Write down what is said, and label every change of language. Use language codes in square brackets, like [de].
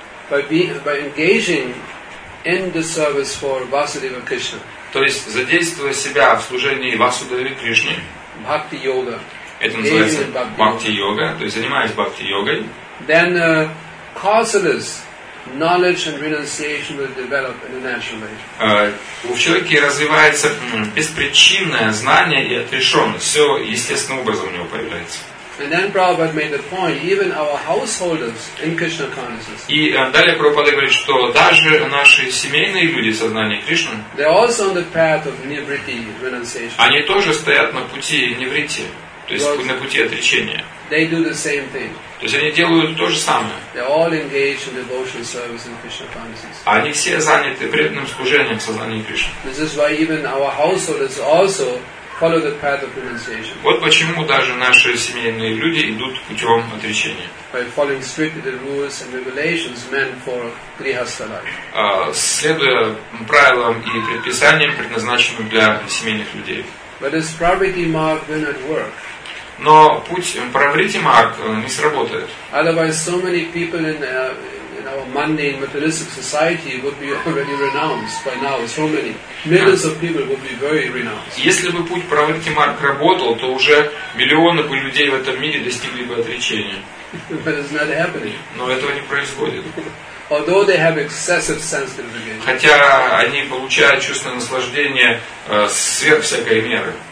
[en] By engaging in the service for Vasudeva Krishna. [ru] То есть задействуя себя в служении Васудеве Кришне. [en] Bhakti Yoga. [ru] Это называется Bhakti Yoga. То есть занимаясь Bhakti Йогой. [en] Then causeless knowledge and renunciation will develop in a natural way. [ru] У человека развивается беспричинное знание и отрешенность. Все естественным образом у него появляется. [en] And then Prabhupada made the point, even our householders in Krishna consciousness. [ru] И далее Прабхупада говорит, что даже наши семейные люди сознания Кришны. [en] They're also on the path of nivritti renunciation. [ru] Они тоже стоят на пути нивритти, то есть на пути отречения. [en] They do the same thing. [ru] То есть они делают то же самое. [en] They're all engaged in devotional service in Krishna consciousness. [ru] Они все заняты преданным служением сознания Кришны. [en] This is why even our householders also. Follow the path of renunciation. [ru] Вот почему даже наши семейные люди идут путем отречения. [en] By following strictly the rules and regulations meant for grihastha life. [ru] Следуя правилам и предписаниям, предназначенным для семейных людей. [en] But is Pravriti Mark will not work? [ru] Но путь Pravriti Mark не сработает. [en] Otherwise, so many people in our mundane materialistic society would be already renounced by now. So many millions of people would be very renounced. [ru] Если бы путь Праврити Марк работал, то уже миллионы бы людей в этом мире достигли бы отречения. [en] But it's not happening. [ru] Но этого не происходит. [en] Although they have excessive sensitive [ru] Хотя они получают чувственное наслаждение сверх всякой меры.